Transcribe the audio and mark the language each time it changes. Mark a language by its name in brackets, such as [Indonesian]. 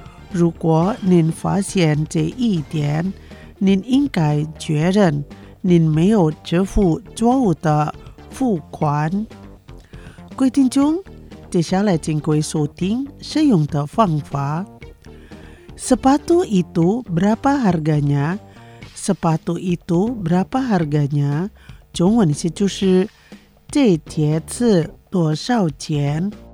[Chinese] 如果您发现这一点，您应该确认您没有支付错误的付款。各位听众，接下来请各位收听使用的方法。 [Indonesian] Sepatu itu berapa harganya? Sepatu itu berapa harganya? [Chinese] 中文是就是这鞋子多少钱？